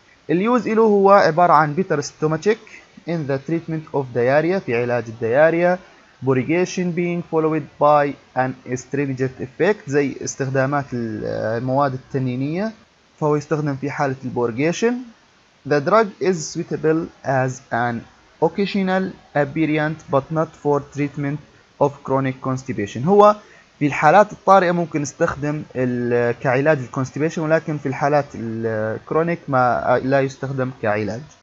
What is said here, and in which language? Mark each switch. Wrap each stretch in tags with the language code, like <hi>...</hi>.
<ar>اليوز إله هو عبارة عن بيتر ستوماتيك</ar> <en>in the treatment of diarrhea،</en> <ar>في علاج الدياريا. بوريجيشن</ar> <en>being followed by an astringent effect،</en> <ar>زي استخدامات المواد التنينية فهو يستخدم في حالة البوريجيشن.</ar> <en>The drug is suitable as an occasional aberrant but not for treatment of chronic constipation.</en> <ar>هو في الحالات الطارئة ممكن نستخدم كعلاج الكونستيبيشن، ولكن في الحالات الكرونيك ما لا يستخدم كعلاج.</ar>